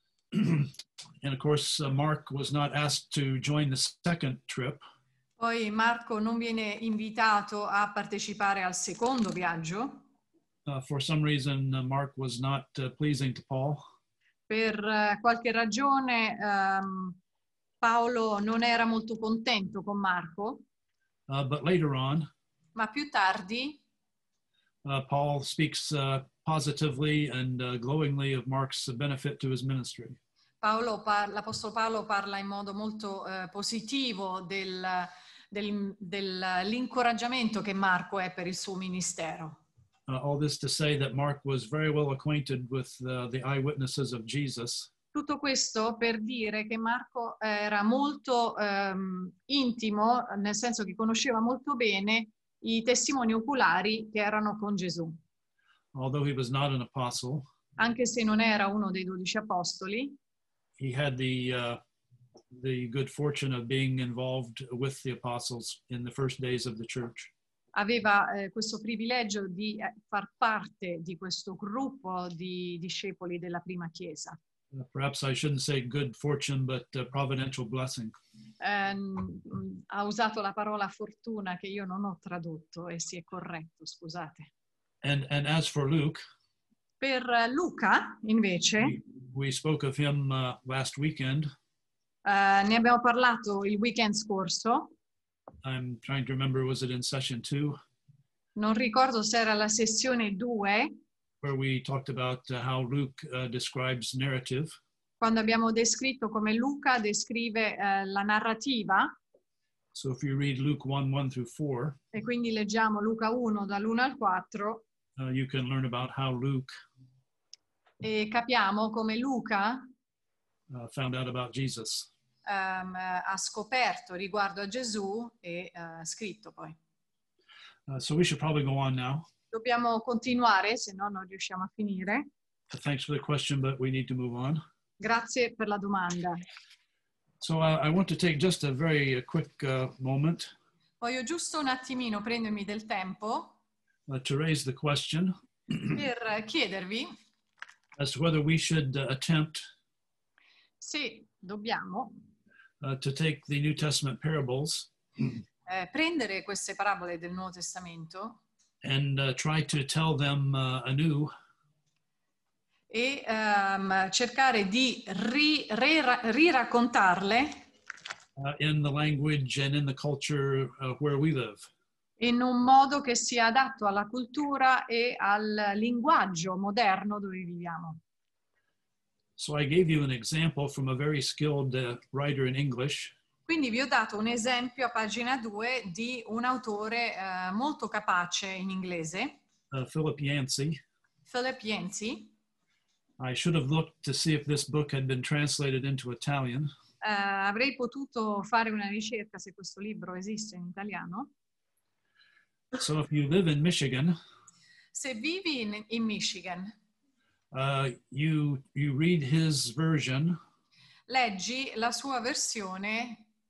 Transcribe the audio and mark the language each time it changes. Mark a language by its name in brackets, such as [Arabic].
[English] And of course Mark was not asked to join the second trip. [Italian] Poi Marco non viene invitato a partecipare al secondo viaggio. [English] For some reason Mark was not pleasing to Paul. [Italian] Per qualche ragione Paolo non era molto contento con Marco. [English] But later on, [Italian] ma più tardi [English] Paul speaks positively and glowingly of Mark's benefit to his ministry. [Italian] L'apostolo Paolo parla in modo molto positivo dell'incoraggiamento che Marco è per il suo ministero. [English] All this to say that Mark was very well acquainted with the eyewitnesses of Jesus. [Italian] Tutto questo per dire che Marco era molto intimo, nel senso che conosceva molto bene i testimoni oculari che erano con Gesù. [English] Although he was not an apostle, [Italian] anche se non era uno dei 12 apostoli, [English] he had the good fortune of being involved with the apostles in the first days of the church. [Italian] Aveva questo privilegio di far parte di questo gruppo di discepoli della prima chiesa. [English] Perhaps I shouldn't say good fortune, but a providential blessing. [Italian] Ha usato la parola fortuna che io non ho tradotto e si è corretto, scusate. [English] And as for Luke, [Italian] per Luca, invece, [English] we spoke of him last weekend. [Italian] Ne abbiamo parlato il weekend scorso. [English] I'm trying to remember, was it in session 2? [Italian] Non ricordo se era la sessione 2. [English] Where we talked about how Luke describes narrative. [Italian] Quando abbiamo descritto come Luca descrive la narrativa. [English] So if you read Luke 1:1 through 4. [Italian] E quindi leggiamo Luca 1 dall'1 al 4. [English] You can learn about how Luke. [Italian] E capiamo come Luca. [English] Found out about Jesus. [Italian] Ha scoperto riguardo a Gesù e scritto poi. [English] So we should probably go on now. [Italian] Dobbiamo continuare, se no non riusciamo a finire. [English] Thanks for the question, but we need to move on. [Italian] Grazie per la domanda. [English] So I want to take just a very quick moment. [Italian] Voglio giusto un attimino prendermi del tempo. [English] To raise the question. [Italian] Per chiedervi. [English] As to whether we should attempt. [Italian] Sì, dobbiamo. [English] To take the New Testament parables. [Italian] Prendere queste parabole del Nuovo Testamento. [English] And try to tell them anew. [Italian] E cercare di riraccontarle. [English] In the language and in the culture where we live. [Italian] In un modo che sia adatto alla cultura e al linguaggio moderno dove viviamo. [English] So I gave you an example from a very skilled writer in English. [Italian] Quindi vi ho dato un esempio a pagina 2 di un autore molto capace in inglese. [English] Philip Yancey. [Italian] Philip Yancey. [English] I should have looked to see if this book had been translated into Italian. [Italian] Avrei potuto fare una ricerca se questo libro esiste in italiano. [English] So if you live in Michigan. [Italian] Se vivi in Michigan. [English] You read his version. [Italian] Leggi la sua versione.